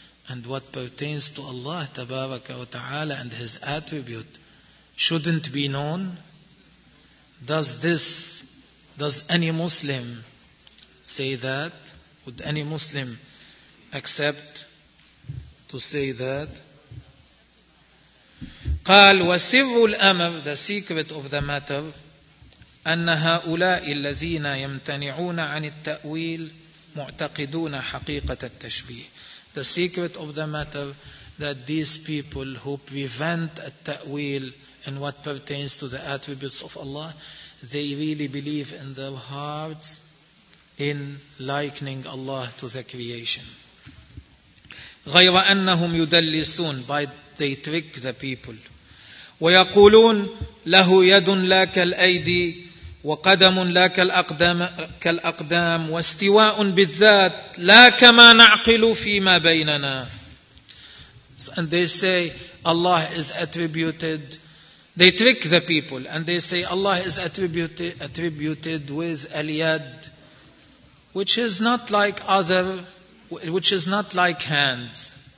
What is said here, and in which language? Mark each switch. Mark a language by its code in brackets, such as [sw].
[en] and what pertains to Allah tabaraka wa ta'ala and His attribute shouldn't be known? Does any Muslim say that? Would any Muslim accept to say that? [ar] قال وسر الأمر, [en] the secret of the matter, [ar] أن هؤلاء الذين يمتنعون عن التأويل معتقدون حقيقة التشبيه. [en] The secret of the matter, that these people who prevent التأويل in what pertains to the attributes of Allah, they really believe in their hearts in likening Allah to the creation. [ar] غير أنهم يدلسون, [en] by they trick the people. [ar] ويقولون له يد لا كالأيدي وقدم لا كالأقدام واستواء بالذات لا كما نعقل فيما بيننا. [en] And they say Allah is attributed. They trick the people and they say Allah is attributed with al-yad, which is not like other, which is not like hands.